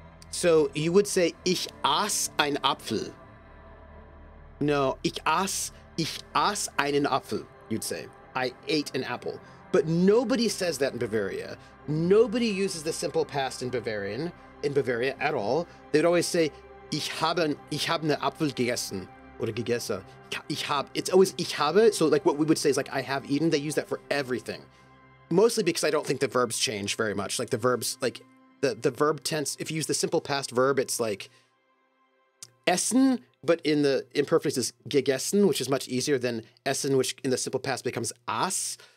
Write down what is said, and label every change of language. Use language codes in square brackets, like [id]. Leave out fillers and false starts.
[en] So you would say, [de] ich aß ein Apfel. [en] No, [de] ich aß einen Apfel, [en] you'd say. I ate an apple. But nobody says that in Bavaria. Nobody uses the simple past in Bavaria at all. They'd always say, [de] ich habe einen Apfel gegessen. Oder gegessen. [en] It's always [de] ich habe. [en] So like what we would say is like, I have eaten. They use that for everything. Mostly because I don't think the verbs change very much. Like the verbs, like the verb tense, if you use the simple past verb, it's like essen, but in the imperfect is gegessen, which is much easier than essen, which in the simple past becomes aß.